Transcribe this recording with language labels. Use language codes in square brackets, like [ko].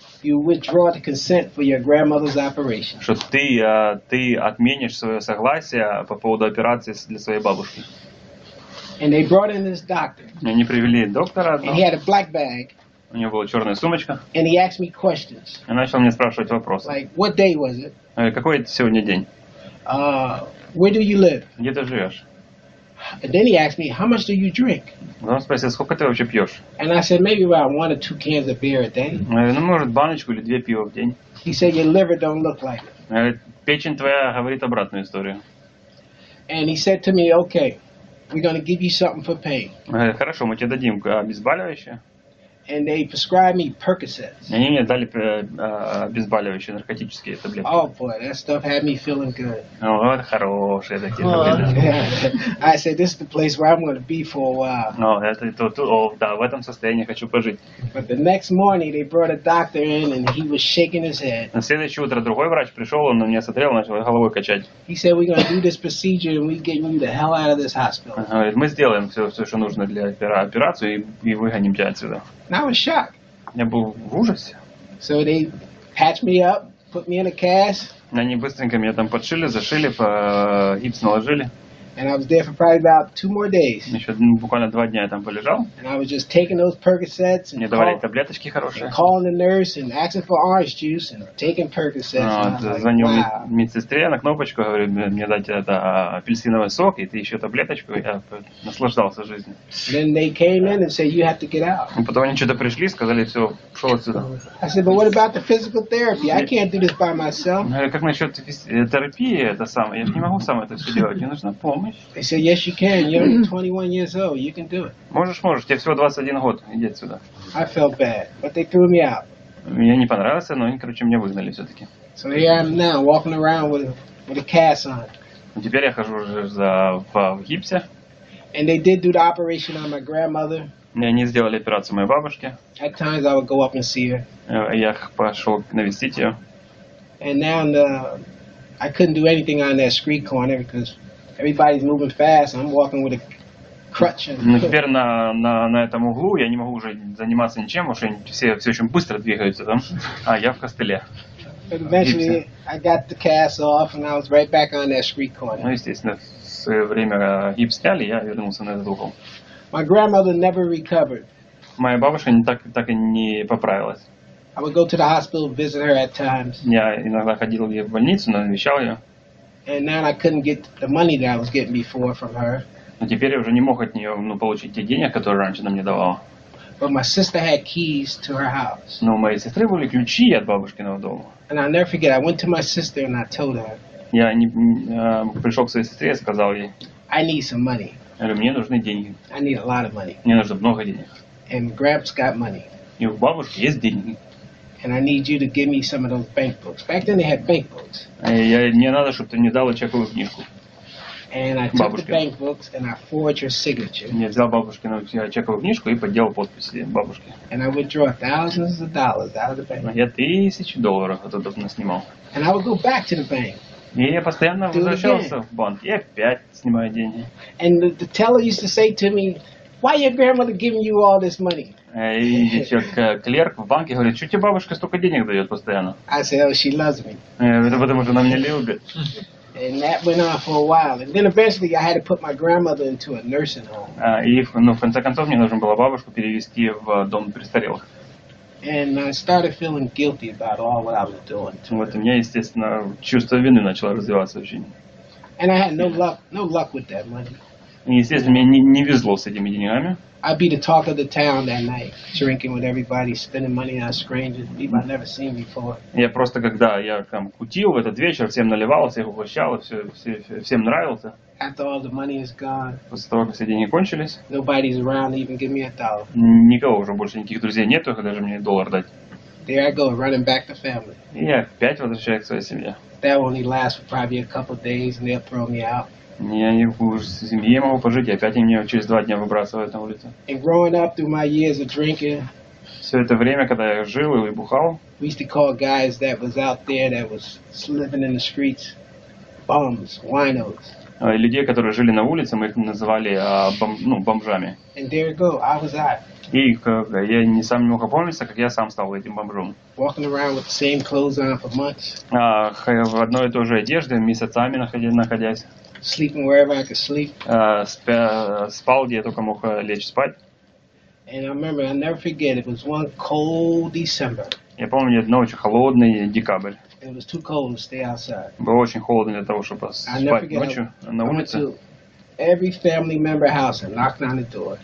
[en] you withdraw the consent for your grandmother's operation. [ru] Что ты отменишь свое согласие по поводу операции для своей бабушки. [en] And they brought in this doctor. [ru] И они привели доктора. [en] And he had a black bag. [ru] У него была черная сумочка. [en] And he asked me questions. [ru] И начал мне спрашивать вопросы. [en] Like, what day was it? [ru] Какой это сегодня день? [en] Where do you live? [ru] Где ты живешь? [en] And then he asked me, how much do you drink? [ru] Он спросил, сколько ты вообще пьешь? [en] And I said, maybe about one or two cans of beer a day. [ru] Может, баночку или две пива в день. [en] He said, your liver don't look like it. [ru] Печень твоя говорит обратную историю. [en] And he said to me, okay, we're going to give you something for pain. [ru] Хорошо, мы тебе дадим обезболивающее. [en] And they prescribed me Percocets. [ru] Они мне дали обезболивающие наркотические таблетки. [en] Oh boy, that stuff had me feeling good. [ru] Вот хорошие такие таблетки. [en] I said, this is the place where I'm going to be for a while. [ru] No, да, в этом состоянии хочу пожить. [en] But the next morning they brought a doctor in and he was shaking his head. [ru] На следующее утро другой врач пришел, он на меня смотрел, начал головой качать. [en] He said, we're going to do this procedure and we're getting you the hell out of this hospital. [ru] Он говорит, мы сделаем все, что нужно для операции и выгоним тебя отсюда. [en] And I was shocked. [ru] Я был в ужасе. [en] So they patched me up, put me in a cast. [ru] Они быстренько меня там подшили, зашили, гипс наложили. [en] And I was there for probably about two more days. [ru] Еще буквально два дня я там полежал. [en] And I was just taking those Percocets. [ru] Мне давали таблеточки хорошие. [en] And calling the nurse and asking for orange juice and taking Percocets. [ru] Звоню медсестре на кнопочку, говорю, мне дать это апельсиновый сок, и ты еще таблеточку. Я наслаждался жизнью. [en] Then they came in and said, you have to get out. [ru] Потом они что-то пришли, сказали, все, шел отсюда. [en] I said, but what about the physical therapy? I can't do this by myself. [ru] Как насчет терапии, это самое? Я же не могу сам это все делать, мне нужна помощь. [en] They said, yes, you can. You're 21 years old. You can do it. [ru] Можешь. Тебе всего 21 год. Иди отсюда. [en] I felt bad, but they threw me out. [ru] Мне не понравилось, но они, короче, меня выгнали все-таки. [en] So here I am now, walking around with a cast on. [ru] Теперь я хожу уже в гипсе. [en] And they did do the operation on my grandmother. [ru] Мне они сделали операцию моей бабушке. [en] At times I would go up and see her. [ru] Я пошел навестить ее. [en] And now I couldn't do anything on that street corner because everybody's moving fast. I'm walking with a crutch. [ru] Ну теперь на этом углу я не могу уже заниматься ничем, уж все очень быстро двигаются там. А я в костыле. [en] But eventually, I got the cast off and I was right back on that street corner. [ru] Ну естественно, в свое время гипс сняли, я вернулся на этот угол. [en] My grandmother never recovered. [ru] Моя бабушка так и не поправилась. [en] I would go to the hospital visit her at times. [ru] Я иногда ходил ей в больницу, навещал ее. [en] And now I couldn't get the money that I was getting before from her. [ru] Но теперь я уже не мог от нее получить те деньги, которые раньше она мне давала. [en] But my sister had keys to her house. [ru] Но у моей сестры были ключи от бабушкиного дома. [en] And I'll never forget, I went to my sister and I told her. [ru] Я пришел к своей сестре и сказал ей. [en] I need some money. [ru] Я говорю, мне нужны деньги. [en] I need a lot of money. [ru] Мне нужно много денег. [en] And Grandpa's got money. [ru] И у бабушки есть деньги. [en] And I need you to give me some of those bank books. Back then they had bank books. [ru] Мне надо, чтобы ты мне дала чековую книжку. [en] And I took the bank books and I forged your signature. [ru] Я взял бабушкину чековую книжку и подделал подписи бабушки. [en] And I withdrew thousands of dollars out of the bank. [ru] Я тысячи долларов оттуда снимал. [en] And I would go back to the bank. [ru] И я постоянно возвращался в банк. И опять снимаю деньги. [en] And the teller used to say to me, why your grandmother giving you all this money? [ru] И человек, клерк в банке говорит, что тебе бабушка столько денег дает постоянно? [en] I said, oh, she loves me. [ru] Это потому, что она меня любит. [en] And that went on for a while. And then eventually I had to put my grandmother into a nursing home. [ru] В конце концов, мне нужно было бабушку перевести в дом престарелых. [en] And I started feeling guilty about all what I was doing. [ru] Вот у меня, естественно, чувство вины начало развиваться очень. [en] And I had no luck with that money. [ru] И, естественно, мне не везло с этими деньгами. [en] I'd be the talk of the town that night, drinking with everybody, spending money on strangers, people I'd never seen before. [ru] Я просто когда я там кутил в этот вечер, всем наливался, всех угощал, всем нравился. [en] After all the money is gone. [ru] После того, как все деньги кончились. [en] Nobody's around to even give me a dollar. [ru] Никого уже больше никаких друзей нету, когда же мне доллар дать. [en] There I go, running back to family. [ru] И я опять возвращаюсь к своей семье. [en] That only lasts for probably a couple of days, and they'll throw me out. [ru] Я не уж с семьей могу пожить, и опять меня через два дня выбрасывают на улицу. [en] And growing up through my years of drinking. [ru] Все это время, когда я жил и бухал. [en] We used to call guys that was out there that was living in the streets bums, winos. [ru] Людей, которые жили на улице, мы их называли бомжами. [en] And there you go, I was that. [ru] И я не сам не мог опомниться, как я сам стал этим бомжом. [en] Walking around with the same clothes on for months. [ru] В одной и той же одежде месяцами находясь. [en] Sleeping wherever I could sleep. [ru] Спал, где я только мог лечь спать. [en] And I remember, I'll never forget, it was one cold December. [ru] Я помню, одно очень холодный декабрь. [en] It was too cold to stay outside. [ru] Было очень холодно для того, чтобы спать ночью на улице. [en] Every family member house and knocked on the door.